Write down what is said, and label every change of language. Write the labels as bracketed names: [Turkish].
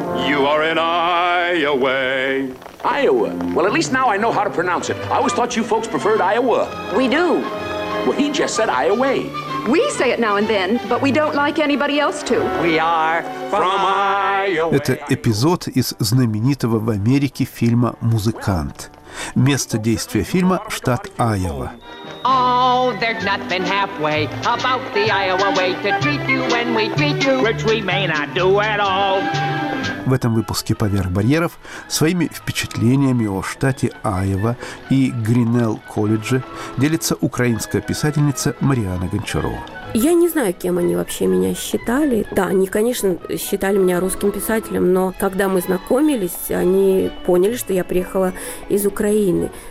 [English] You are in Iowa. Iowa. Well, at least now I know how to pronounce it. I always thought you folks preferred Iowa. We do. Well, he just said Iowa. We say it now and then, but we don't like anybody else to. We are from Iowa. [Russian] Это эпизод из знаменитого в Америке фильма «Музыкант». Место действия фильма – штат Айова. [English] Oh, there's nothing halfway about the Iowa way to treat you when we treat you, which we may not do at all. [Russian] В этом выпуске «Поверх барьеров» своими впечатлениями о штате Айова и Гринелл-колледже делится украинская писательница Марианна Гончарова. Я не знаю, кем они вообще меня считали. Да, они, конечно, считали меня русским писателем, но когда мы знакомились, они поняли, что я приехала из Украины.